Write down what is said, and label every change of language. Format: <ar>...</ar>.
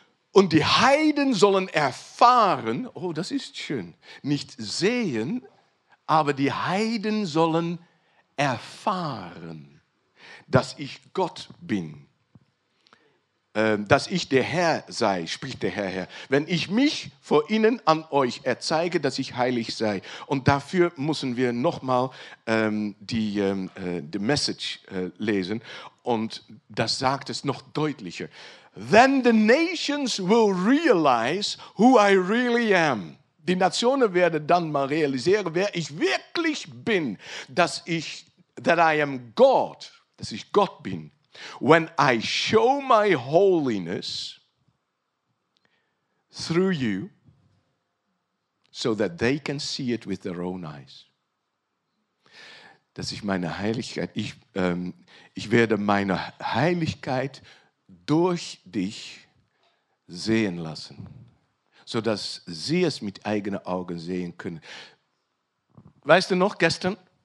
<de>Und die Heiden sollen erfahren, oh, das ist schön, nicht sehen, aber die Heiden sollen erfahren, dass ich Gott bin. Dass ich der Herr sei, spricht der Herr, wenn ich mich vor ihnen an euch erzeige, dass ich heilig sei. Und dafür müssen wir nochmal die Message lesen. Und das sagt es noch deutlicher.</de> <en>Then the nations will realize who I really am.</en> <de>Die Nationen werden dann mal realisieren, wer ich wirklich bin. Dass ich,</de> <en>that I am God,</en> <de>dass ich Gott bin.</de> <en>When I show my holiness through you, so that they can see it with their own eyes.</en> <de>Dass ich meine Heiligkeit, ich werde meine Heiligkeit durch dich sehen lassen, so dass sie es mit eigenen Augen sehen können. Weißt du noch, gestern?</de>